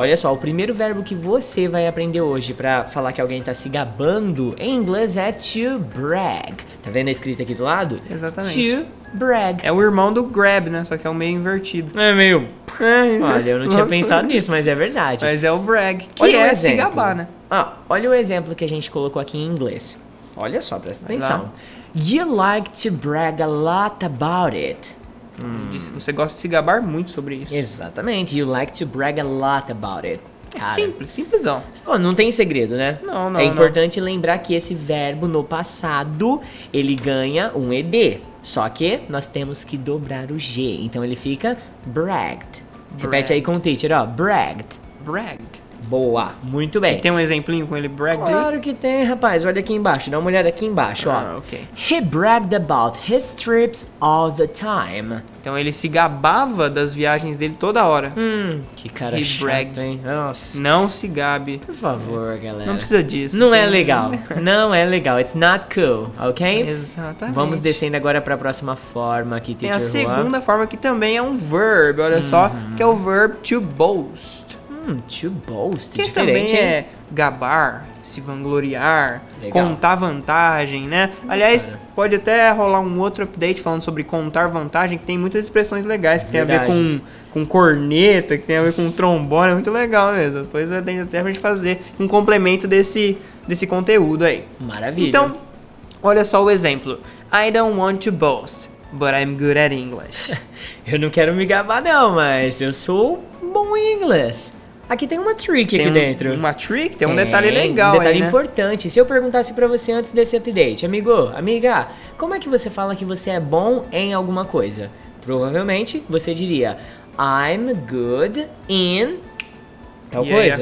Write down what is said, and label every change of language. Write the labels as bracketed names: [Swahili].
[Portuguese] Olha só, o primeiro verbo que você vai aprender hoje pra falar que alguém tá se gabando em inglês é to brag. Tá vendo a escrita aqui do lado? Exatamente. To brag. É o irmão do grab, né? Só que é o meio invertido. É meio... Olha, eu não tinha pensado nisso, mas é verdade. Mas é o brag, que olha é um se gabar, né? Ah, olha o exemplo que a gente colocou aqui em inglês. Olha só, presta atenção. Lá. [English] You like to brag a lot about it. [Portuguese] Você gosta de se gabar muito sobre isso. Exatamente. [English] You like to brag a lot about it. [Portuguese] Cara. Simples, simplesão. Pô, não tem segredo, né? Não. É importante lembrar que esse verbo no passado, ele ganha um ED. Só que nós temos que dobrar o G. Então ele fica bragged. Repete aí com o teacher, ó. Bragged. Bragged. Boa, muito bem. E tem um exemplinho com ele bragged? Claro que tem, rapaz. Olha aqui embaixo, dá uma olhada aqui embaixo, ó. Ok. [English] He bragged about his trips all the time. [Portuguese] Então ele se gabava das viagens dele toda hora. Que cara [English] he [Portuguese] chato, [English] bragged. [Portuguese] Hein? Nossa. Não se gabe. Por favor, galera. Não precisa disso. Não é legal. Não é legal. [English] It's not cool, ok? [Portuguese] Exatamente. Vamos descendo agora pra próxima forma aqui, teacher. É a segunda forma que também é um verb, olha só, que é o verb to boast. To boast, que também é gabar, se vangloriar, legal. Contar vantagem, né? Aliás, cara. Pode até rolar um outro update falando sobre contar vantagem, que tem muitas expressões legais, que verdade. Tem a ver com corneta, que tem a ver com trombone, é muito legal mesmo. Depois tem até pra gente fazer um complemento desse conteúdo aí. Maravilha. Então, olha só o exemplo. [English] I don't want to boast, but I'm good at English. [Portuguese] Eu não quero me gabar não, mas eu sou bom em inglês. Aqui tem uma trick tem aqui dentro. Uma trick? Tem um detalhe legal, um detalhe aí, né? Importante. Se eu perguntasse pra você antes desse update, amigo, amiga, como é que você fala que você é bom em alguma coisa? Provavelmente você diria, [English] I'm good in [Portuguese] tal coisa.